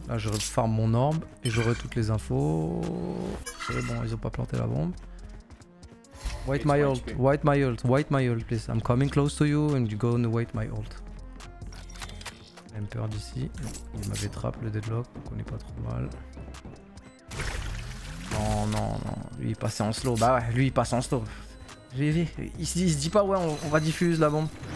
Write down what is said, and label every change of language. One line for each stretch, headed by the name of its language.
French: Là je farm mon orbe et j'aurai toutes les infos. C'est bon, ils ont pas planté la bombe.
English: Wait my ult, wait my ult, wait my ult, please. I'm coming close to you and you go and wait my ult.
French: J'ai peur d'ici. Il m'avait trap le deadlock, donc on est pas trop mal. Non, non, non. Lui il passait en slow. Bah ouais, lui il passe en slow. Vivi, il se dit pas ouais on va diffuse la bombe.